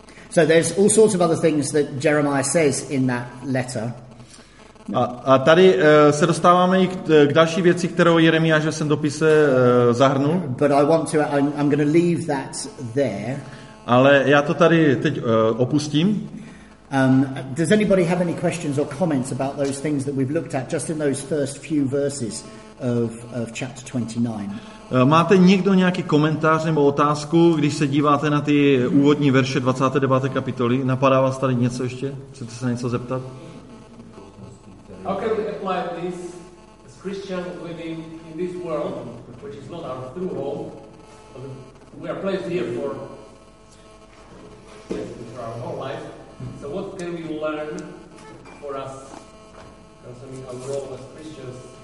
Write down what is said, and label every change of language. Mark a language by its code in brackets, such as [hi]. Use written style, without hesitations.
[en] So there's all sorts of other things that Jeremiah says in that letter. [cs] A tady se dostáváme i k další věci, kterou Jeremiáš jsem dopise zahrnul. [en] But I'm going to leave that there. [cs] Ale já to tady teď opustím. [en] Does anybody have any questions or comments about those things that we've looked at just in those first few verses of chapter 29? [cs] Máte někdo nějaký komentář nebo otázku, když se díváte na ty úvodní verše 29. kapitoly? Napadá vás tady něco ještě? Chcete se něco zeptat? [en] How can we apply this as Christians living in this world, which is not our true home? We are placed here for our whole life. So what can we learn for us concerning our role as Christians?